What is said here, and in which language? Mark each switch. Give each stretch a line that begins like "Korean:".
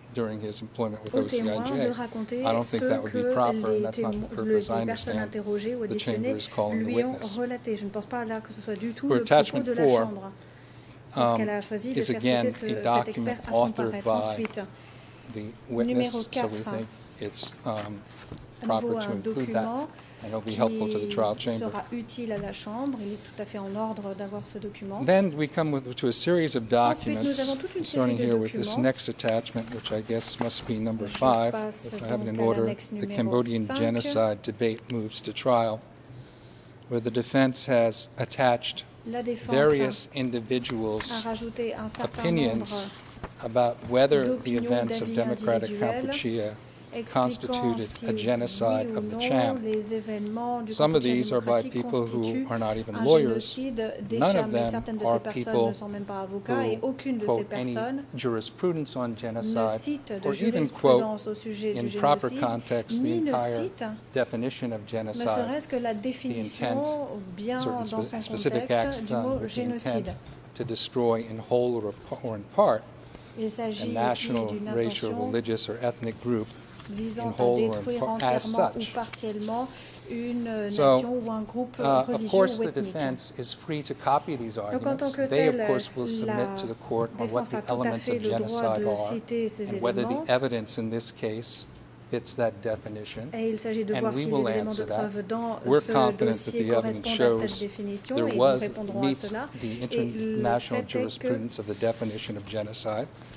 English: During his employment with OCIJ. I don't think that would be proper, and that's not the purpose I understand the chamber is calling the witness. For attachment four, is again a document authored by the witness, so we think it's proper to include that. And it'll be helpful to the trial chamber.
French: Sera utile à la chambre. Il est tout à fait en ordre d'avoir ce document.
English: Then we come to a series of documents,
French: ensuite,
English: starting here
French: documents.
English: With this next attachment, which I guess must be number five, if I have it in order. The Cambodian genocide debate moves to trial, where the defense has attached various individuals' opinions about whether the events of Democratic Kampuchea constituted a genocide of the Cham. Some of these are by people who are not even lawyers. None of them are people who quote any jurisprudence on genocide or even quote in proper context the entire definition of genocide, the intent, certain specific acts done with the intent to destroy in whole or in part a national, racial, religious, or ethnic group
French: visant à détruire entièrement ou partiellement une nation ou un groupe religieux ou ethnique.
English: The defense is free to copy these arguments. They, of course, will submit to the court on what the elements of genocide are and whether the evidence in this case fits that definition, and we will answer that. We're confident that the evidence shows there was meets the international jurisprudence of the definition of genocide.